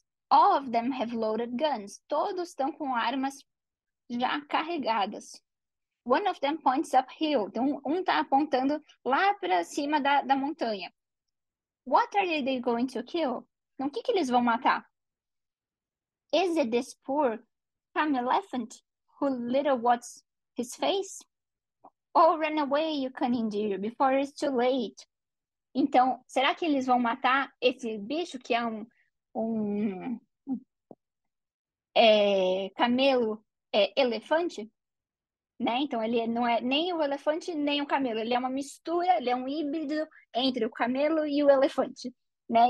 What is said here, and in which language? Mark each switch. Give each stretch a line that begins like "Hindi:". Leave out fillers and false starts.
English: All of them have loaded guns.
Portuguese: Todos estão com armas já carregadas.
English: One of them points uphill.
Portuguese: Então, um está apontando lá para cima da montanha.
English: What are they going to kill?
Portuguese: Então, o que que eles vão matar?
English: Is it this poor camelephant who little what's his face? Oh, run away, you cunning deer, before it's too late.
Portuguese: Então, será que eles vão matar esse bicho que é camelo, elefante? Né? Então ele não é nem o elefante nem o camelo, ele é uma mistura, ele é um híbrido entre o camelo e o elefante, né?